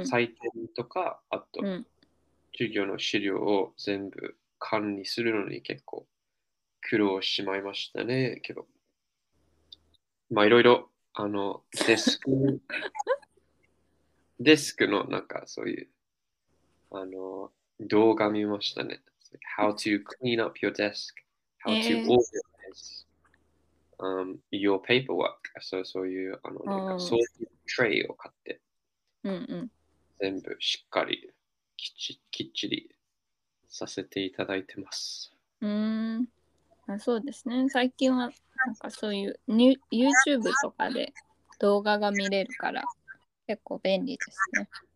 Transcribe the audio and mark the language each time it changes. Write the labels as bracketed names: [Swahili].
[Japanese] 採点とかあと授業の資料を全部管理するのに結構苦労しまいましたね。けどまあいろいろあのデスクデスクのなんかそういうあの動画見ましたね。 [English] How to clean up your desk, how to organize、your paperwork. [Japanese] So, そういうあのなんか掃除のトレイを買って、うんうん、全部しっかりきっちりさせていただいてます。あ、そうですね。最近はなんかそういう YouTube とかで動画が見れるから結構便利ですね。